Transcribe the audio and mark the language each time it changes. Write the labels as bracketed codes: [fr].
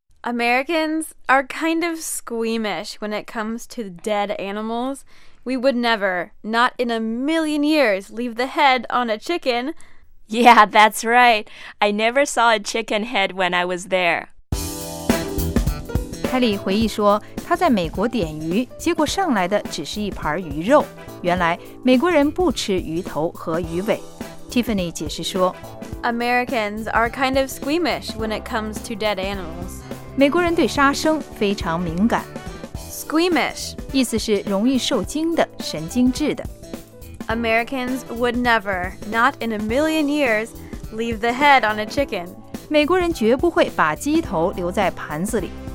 [en] Americans are kind of squeamish when it comes to dead animals. We would never, not in a million years, leave the head on a chicken... Yeah, that's right. I never saw a chicken head when I was there. [zh] 凯莉回忆说，她在美国点鱼，结果上来的只是一盘鱼肉。原来美国人不吃鱼头和鱼尾。 Tiffany 解释说， [en] Americans are kind of squeamish when it comes to dead animals. [zh] 美国人对杀生非常敏感。 [en] Squeamish [zh] 意思是容易受惊的，神经质的。 [en] Americans would never, not in a million years, leave the head on a chicken. [zh] 美国人绝不会把鸡头留在盘子里。